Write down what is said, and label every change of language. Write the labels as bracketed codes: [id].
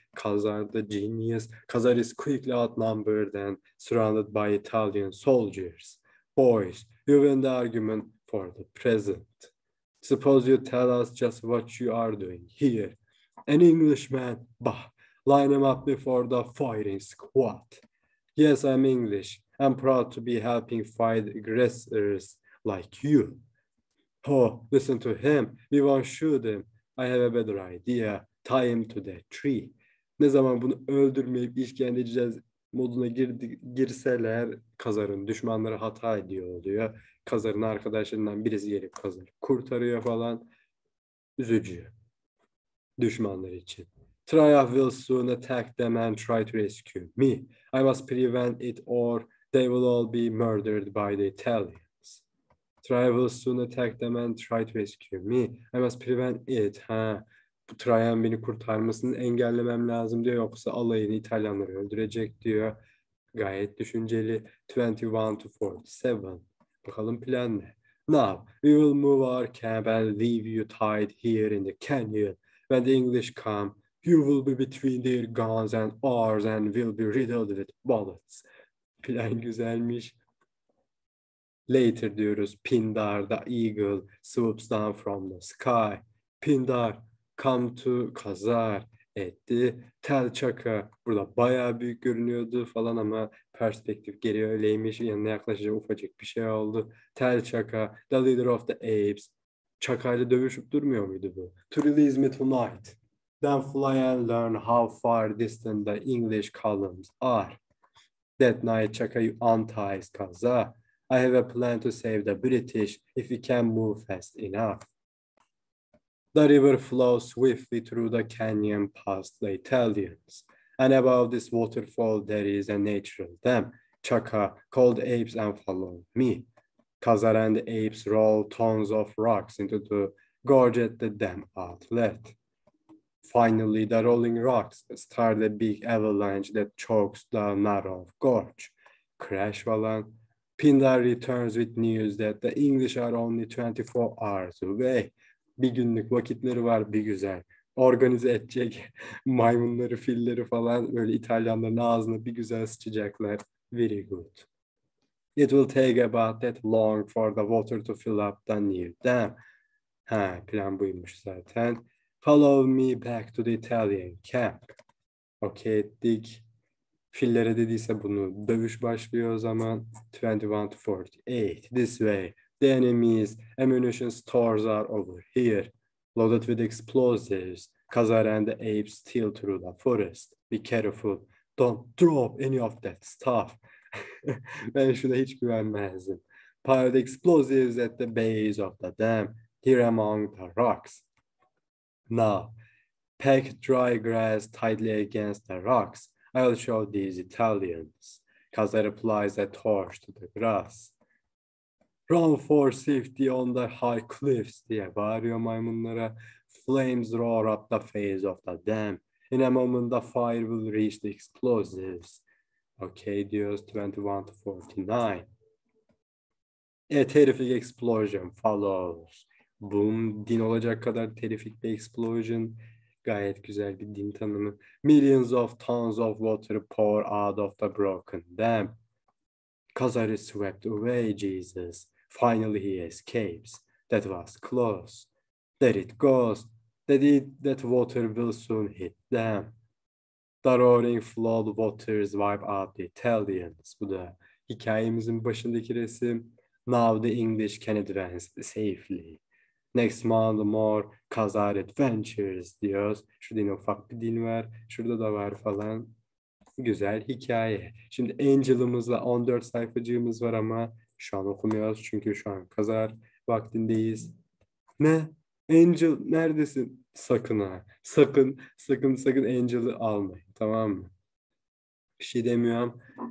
[en] Kazar da genius. Kazar is quickly outnumbered and surrounded by Italian soldiers. Boys, you win the argument for the present. Suppose you tell us just what you are doing here. An Englishman, bah. Line him up before the firing squad. Yes, I'm English. I'm proud to be helping fight aggressors like you. Oh, listen to him. We won't shoot him. I have a better idea. Tie him to the tree. [tr] Ne zaman bunu öldürmeyip işkence edeceğiz moduna girseler Kazar'ın düşmanları hata ediyor oluyor. Kazar'ın arkadaşlarından birisi gelip Kazar'ı kurtarıyor falan. Üzücü. Düşmanlar için. [en] Triumph will soon attack them and try to rescue me. I must prevent it or they will all be murdered by the Italians. Triumph will soon attack them and try to rescue me. I must prevent it. Ha. [tr] Bu Triumph beni kurtarmasını engellemem lazım diyor. Yoksa alayını İtalyanları öldürecek diyor. Gayet düşünceli. [en] 21 to 47. [tr] Bakalım plan ne? [en] Now we will move our camp and leave you tied here in the canyon. When the English come, you will be between their guns and ours and will be riddled with bullets. [tr] Plan güzelmiş. Later diyoruz. [en] Pindar the eagle swoops down from the sky. Pindar come to Kazar etti. Tell Chaka. [tr] Burada bayağı büyük görünüyordu falan ama perspektif geri öyleymiş. Yanına yaklaşınca ufacık bir şey oldu. [en] Tell Chaka, the leader of the apes. [tr] Chaka ile dövüşüp durmuyor muydu bu? [en] To release me tonight. Then fly and learn how far distant the English columns are. That night, Chaka unties Kaza. I have a plan to save the British if we can move fast enough. The river flows swiftly through the canyon past the Italians. And above this waterfall, there is a natural dam. Chaka, call the apes and follow me. Kaza and the apes roll tons of rocks into the gorge at the dam outlet. Finally, the rolling rocks start a big avalanche that chokes the narrow gorge. Crash falan. Pindar returns with news that the English are only 24 hours away. [tr] Bir günlük vakitleri var bir güzel. Organize edecek maymunları, filleri falan böyle İtalyanların ağzına bir güzel sıçacaklar. [en] Very good. It will take about that long for the water to fill up the near dam. [tr] Ha, plan buymuş zaten. [en] Follow me back to the Italian camp. [tr] Okay ettik. Fillere dediyse bunu dövüş başlıyor o zaman. [en] 21 to 48. This way. The enemy's ammunition stores are over here. Loaded with explosives. Kazar and the apes steal through the forest. Be careful. Don't drop any of that stuff. [tr] Ben şuna hiç güvenmezdim. [en] Pile the explosives at the base of the dam. Here among the rocks. Now, pack dry grass tightly against the rocks. I'll show these Italians. Kazar applies a torch to the grass. Run for safety on the high cliffs, [tr] diye bağırıyor maymunlara. [en] Flames roar up the face of the dam. In a moment, the fire will reach the explosives. Okay, [tr] diyoruz [en] 21 to 49. A terrific explosion follows. [tr] Boom, din olacak kadar terrific bir explosion. Gayet güzel bir din tanımı. [en] Millions of tons of water pour out of the broken dam. Kazar is swept away, Jesus. Finally he escapes. That was close. There it goes. That water will soon hit them. The roaring flood waters wipe out the Italians. [tr] Bu da hikayemizin başındaki resim. [en] Now the English can advance safely. Next month more Kazar adventures [tr] diyoruz. Şurada yine ufak bir din var. Şurada da var falan. Güzel hikaye. Şimdi Angel'ımızla 14 sayfacığımız var ama şu an okumuyoruz. Çünkü şu an Kazar vaktindeyiz. Ne? Angel neredesin? Sakın ha. Sakın Angel'ı almayın. Tamam mı? Bir şey demiyorum.